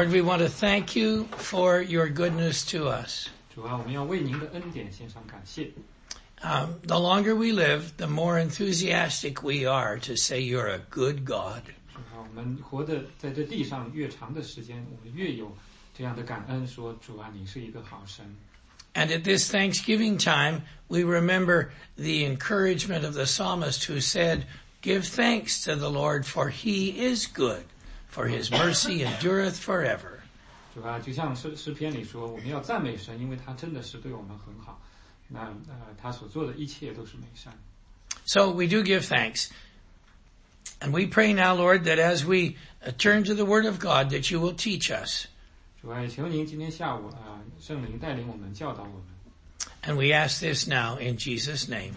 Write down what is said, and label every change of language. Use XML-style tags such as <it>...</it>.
<en>Lord, we want to thank you for your goodness to us.</en> <zh>主啊, 我们要为您的恩典献上感谢。</zh> <en>The longer we live, the more enthusiastic we are to say you're a good God.</en> <zh>主啊, 我们活得在这地上越长的时间, 我们越有这样的感恩, 说主啊, 你是一个好神。</zh> <en>And at this Thanksgiving time, we remember the encouragement of the psalmist who said, Give thanks to the Lord, for he is good. For his mercy endureth forever.</en> <zh>主啊, 就像诗篇里说, 我们要赞美神, 因为他真的是对我们很好, 那, 他所做的一切都是美善。</zh> <en>So we do give thanks. And we pray now, Lord, that as we turn to the Word of God, that you will teach us.</en> <zh>主啊, 求您今天下午, 圣灵带领我们, 教导我们。</zh> <en>And we ask this now in Jesus' name.</en>